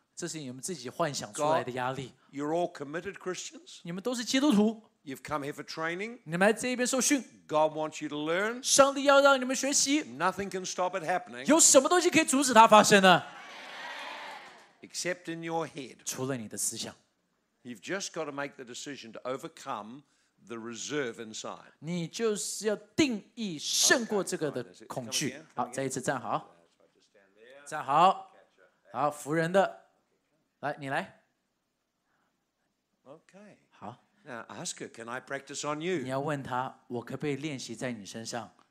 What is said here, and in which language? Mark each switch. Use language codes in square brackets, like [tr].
[zh] 这是你们自己幻想出来的压力 [en] God, you're all committed Christians. [zh] 你们都是基督徒 [en] You've come here for training. [zh] 你们来这边受训。 [en] God wants you to learn. [zh] 上帝要让你们学习。 [en] Nothing can stop it happening. [zh] 有什么东西可以阻止它发生呢 [en] ？Except in your head. [zh] 除了你的思想。 [en] You've just got to make the decision to overcome the reserve inside. [zh] 你就是要定义胜过这个的恐惧。好，再一次站好。站好。好，服人的。来，你来。 [en] Okay. Now ask her, can I practice on you? [zh] 你要问他，我可不可以练习在你身上